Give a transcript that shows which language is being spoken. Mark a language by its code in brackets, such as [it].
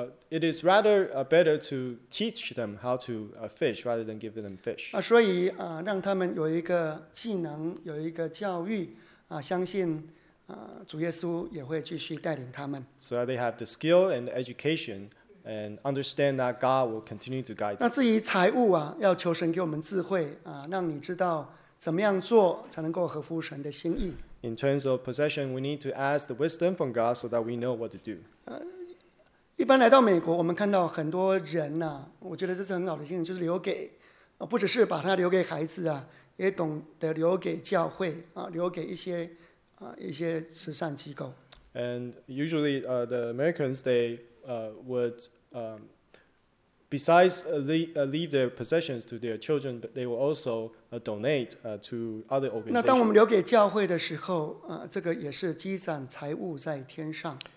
[en] It is rather better to teach them how to fish rather than giving them fish. [zh] 所以让他们有一个技能，有一个教育，相信主耶稣也会继续带领他们。 [en] So they have the skill and the education, and understand that God will continue to guide them. [zh] 那至于财务要求神给我们智慧让你知道怎么样做才能够合乎神的心意。 [en] In terms of possession, we need to ask the wisdom from God so that we know what to do. [zh] 一般来到美国，我们看到很多人我觉得这是很好的经验，就是留给不只是把它留给孩子也懂得留给教会留给一些慈善机构。 [en] And usually, the Americans they would besides leave their possessions to their children, but they will also donate to other organizations. [zh] 那当我们留给教会的时候，这个也是积攒财物在天上。